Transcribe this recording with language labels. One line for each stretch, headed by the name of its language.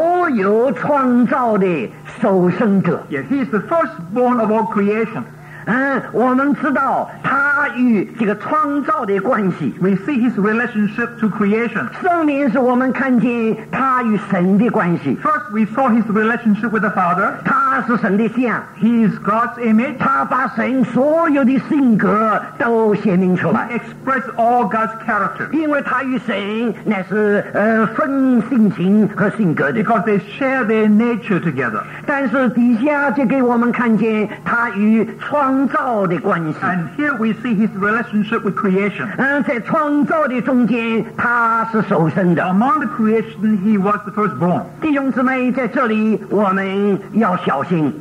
Chinese: 他是所有创造的首生者.
English: Yes, he is the firstborn of all creation.
Chinese: 我们知道他与这个创造的关系。
English: We see his relationship to creation.
Chinese: 圣灵是我们看见他与神的关系。
English: First, we saw his relationship with the Father.
Chinese: 他是神的像。
English: He is God's image.
Chinese: 他把神所有的性格都显明出来。
English: He expressed all God's character.
Chinese: 因为他与神乃是分性情和性格的。
English: Because they share their nature together.
Chinese: 但是底下就给我们看见他与创造的关系。
English: And here we see his relationship with creation.
Chinese: 在创造的中间，他是首生的。
English: Among the creation, he was the firstborn.
Chinese: 弟兄姊妹，在这里我们要小心。